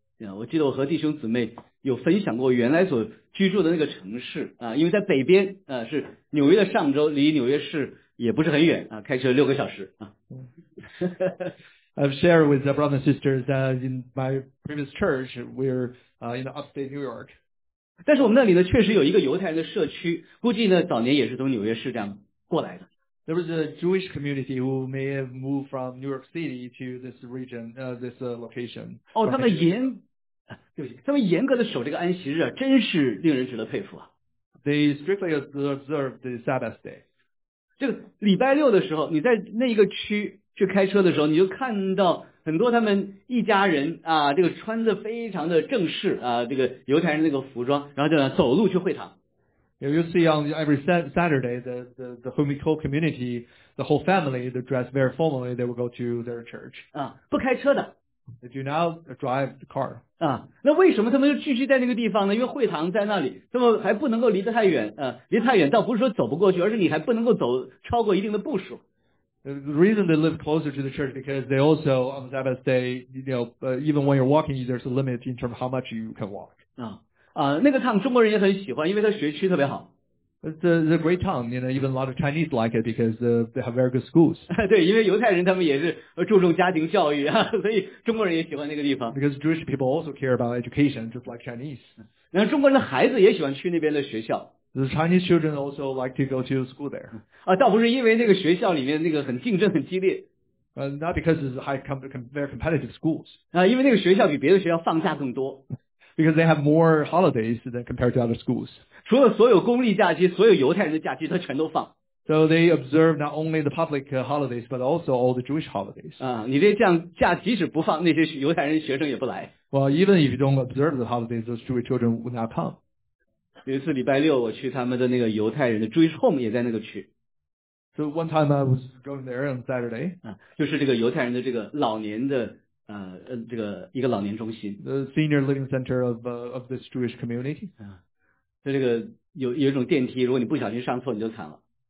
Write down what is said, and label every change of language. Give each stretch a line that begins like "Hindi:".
Chinese: Yeah, 我记得我和弟兄姊妹有分享过原来所居住的那个城市啊，因为在北边啊是纽约的上州，离纽约市也不是很远啊，开车六个小时啊。
English: I've shared with the brothers and sisters that in my previous church, we're in the upstate New York.
Chinese: 但是我们那里呢确实有一个犹太人的社区，估计呢早年也是从纽约市这样过来的。
English: There was a Jewish community who may have moved from New York City to this region, this location.
Chinese: 哦，他们严，对不起，他们严格的守这个安息日啊，真是令人值得佩服啊。
English: They strictly observe the Sabbath day.
Chinese: 这个礼拜六的时候，你在那一个区去开车的时候，你就看到很多他们一家人啊，这个穿的非常的正式啊，这个犹太人那个服装，然后就走路去会堂。
English: You see on every Saturday the homeco community, the whole family, they dress very formally, they will go to their church.
Chinese: 啊，不开车的。
English: They do not drive the car.
Chinese: 啊，那为什么他们就聚集在那个地方呢？因为会堂在那里，他们还不能够离得太远啊，离太远倒不是说走不过去，而是你还不能够走超过一定的步数。
English: The reason they live closer to the church because they also on the Sabbath day, you know, even when you're walking, there's a limit in terms of how much you can walk.
Chinese: 啊，那个 town 中国人也很喜欢，因为它学区特别好。
English: It's a great town, you know, even a lot of Chinese like it because they have very good schools.
Chinese: 对，因为犹太人他们也是注重家庭教育啊，所以中国人也喜欢那个地方。
English: Because Jewish people also care about education, just like Chinese.
Chinese: 然后中国人的孩子也喜欢去那边的学校。
English: The Chinese children also like to go to school there.
Chinese: 啊，倒不是因为那个学校里面那个很竞争很激烈。
English: Not because it's high very competitive schools.
Chinese: 啊，因为那个学校比别的学校放假更多。
English: Because they have more holidays than compared to other schools.
Chinese: 除了所有公立假期，所有犹太人的假期，他全都放。
English: So they observe not only the public holidays, but also all the Jewish holidays.
Chinese: 啊，你这样假即使不放，那些犹太人学生也不来。
English: Well, even if you don't observe the holidays, those Jewish children would not come.
Chinese: 有一次礼拜六我去他们的那个犹太人的
English: Jewish home
Chinese: 也在那个区。
English: So one time I was going there on Saturday.
Chinese: 啊，就是这个犹太人的这个老年的这个一个老年中心。
English: The senior living center of this Jewish community.
Chinese: 啊，就这个有一种电梯，如果你不小心上错你就惨了。